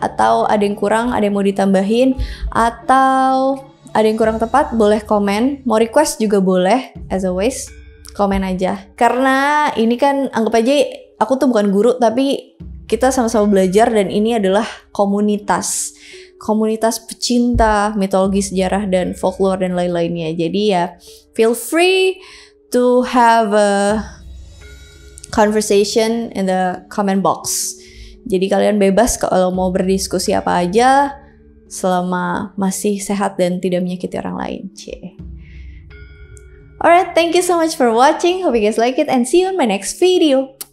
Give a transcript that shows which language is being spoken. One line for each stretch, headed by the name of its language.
Indonesian: Atau ada yang kurang, ada yang mau ditambahin? Atau ada yang kurang tepat? Boleh komen. Mau request juga boleh,
English: as always.
Indonesian: Komen aja. Karena ini kan, anggap aja aku tuh bukan guru, tapi kita sama-sama belajar dan ini adalah komunitas. komunitas pecinta mitologi, sejarah, dan folklore, dan lain-lainnya. Jadi ya,
English: feel free to have a conversation in the comment box.
Indonesian: Jadi kalian bebas kalau mau berdiskusi apa aja, selama masih sehat dan tidak menyakiti orang lain.
English: Alright, thank you so much for watching. Hope you guys like it and see you in my next video.